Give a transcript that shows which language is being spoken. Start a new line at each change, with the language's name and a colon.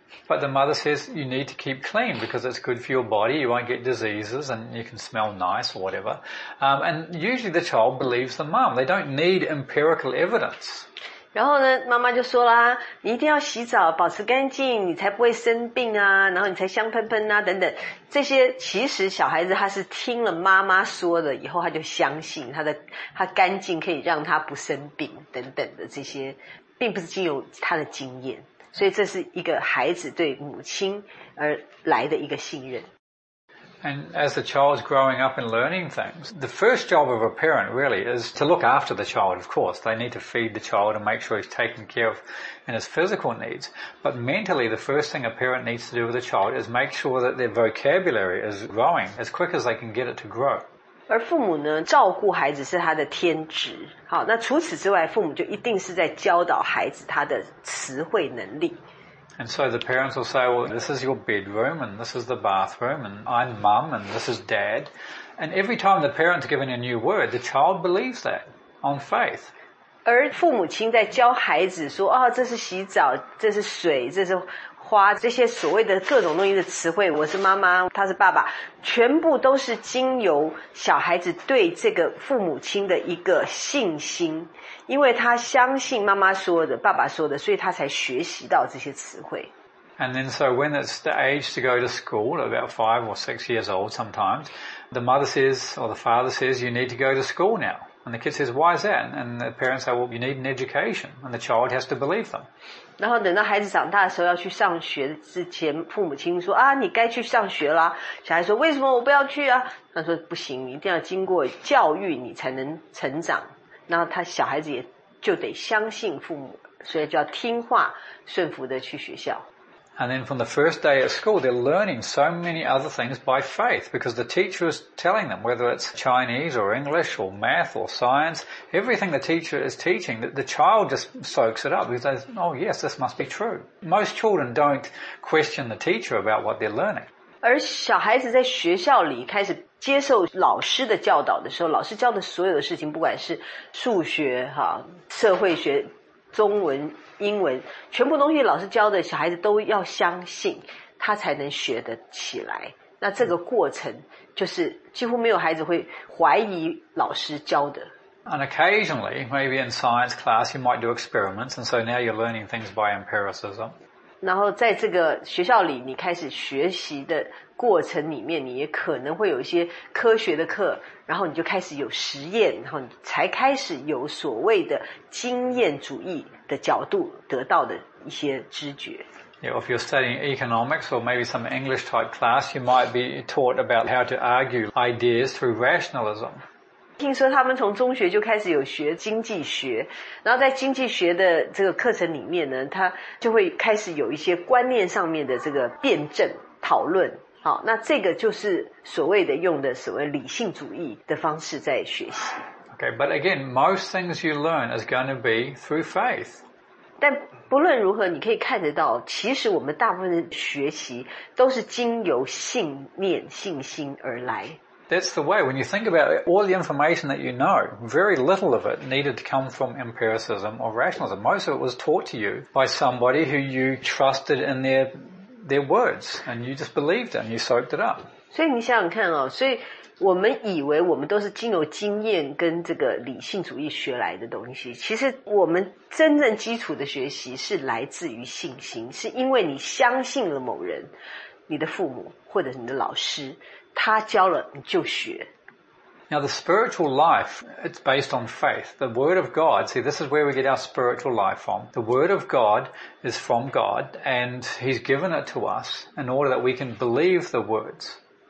English: But the mother says you need to keep clean because it's good for your body, you won't get diseases and you can smell nice or whatever. And usually the child believes the mom. They don't need empirical evidence.
Chinese: 然后呢妈妈就说啦，你一定要洗澡保持干净，你才不会生病啊，然后你才香喷喷啊等等。这些其实小孩子他是听了妈妈说的以后，他就相信他干净可以让他不生病等等的，这些并不是经由他的经验。所以这是一个孩子对母亲而来的一个信任。
English: And as the child's growing up and learning things, the first job of a parent really is to look after the child, of course. They need to feed the child and make sure he's taken care of in his physical needs. But mentally, the first thing a parent needs to do with a child is make sure that their vocabulary is growing as quick as they can get it to grow.
Chinese: 而父母呢，照顾孩子是他的天职。好，那除此之外，父母就一定是在教导孩子他的词汇能力。
English: And so the parents will say, well, this is your bedroom and this is the bathroom and I'm mum and this is dad. And every time the parent's given a new word, the child believes that on faith.
Chinese: 而父母亲在教孩子说，哦，这是洗澡，这是水，这是花，这些所谓的各种东西的词汇，我是妈妈，他是爸爸，全部都是经由小孩子对这个父母亲的一个信心，因为他相信妈妈说的，爸爸说的，所以他才学习到这些词汇。
English: And then so when it's the age to go to school, about 5 or 6 years old sometimes, the mother says, or the father says, you need to go to school now. And the kid says, why is that? And the parents say, well, you need an education. And the child has to believe them.
Chinese: 然后等到孩子长大的时候要去上学之前，父母亲说啊，你该去上学啦。小孩说为什么我不要去啊？他说不行，你一定要经过教育你才能成长。然后他小孩子也就得相信父母，所以就要听话顺服的去学校。
English: And then from the first day at school, they're learning so many other things by faith because the teacher is telling them, whether it's Chinese or English or math or science, everything the teacher is teaching, the child just soaks it up because they say, oh yes, this must be true. Most children don't question the teacher about what they're learning.
Chinese: 而小孩子在学校里开始接受老师的教导的时候，老师教的所有的事情，不管是数学、社会学、中文、英文，全部东西老师教的小孩子都要相信，他才能学得起来。那这个过程就是几乎没有孩子会怀疑老师教的。
English: And occasionally, maybe in science class, you might do experiments, and so now you're learning things by empiricism.
Chinese: 然后在这个学校里，你开始学习的过程里面，你也可能会有一些科学的课，然后你就开始有实验，然后你才开始有所谓的经验主义的角度得到的一些知觉。
English: Yeah, if you're studying economics or maybe some English type class, you might be taught about how to argue ideas through rationalism.
Chinese: 听说他们从中学就开始有学经济学，然后在经济学的这个课程里面呢，他就会开始有一些观念上面的这个辩证讨论。好，那这个就是所谓的用的所谓理性主义的方式在学习。
English: Okay, but again, most things you learn is going to be through faith.
Chinese: 但不论如何，你可以看得到，其实我们大部分的学习都是经由信念、信心而来。
English: That's the way. When you think about it, all the information that you know, very little of it needed to come from empiricism or rationalism. Most of it was taught to you by somebody who you trusted in their words, and you just believed it, and you soaked it up.
Chinese: 所以你想想看哦，所以我们以为我们都是经由经验跟这个理性主义学来的东西，其实我们真正基础的学习是来自于信心，是因为你相信了某人，你的父母或者你的老师，他教了你就学。
English: Now the spiritual life, it's based on faith. The word of God, see this is where we get our spiritual life from. The word of God is from God and He's given it to us in order that we can believe the words.